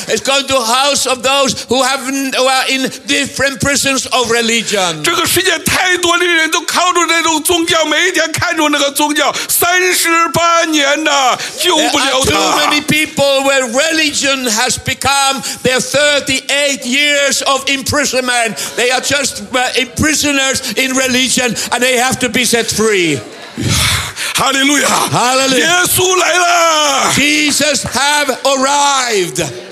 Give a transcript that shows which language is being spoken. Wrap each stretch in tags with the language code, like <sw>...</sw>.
<en>He's going to the house of those who have been in different prisons of religion.</en> <zh>这个世界太多的人都靠着那种宗教，每一天看着那个宗教，38年了，救不了他。</zh> <en>Too many people where religion has become their 38 years of imprisonment. They are just prisoners in religion and they have to be set free. Hallelujah. Hallelujah.</en> <zh>耶稣来了。</zh> <en>Jesus have arrived.</en>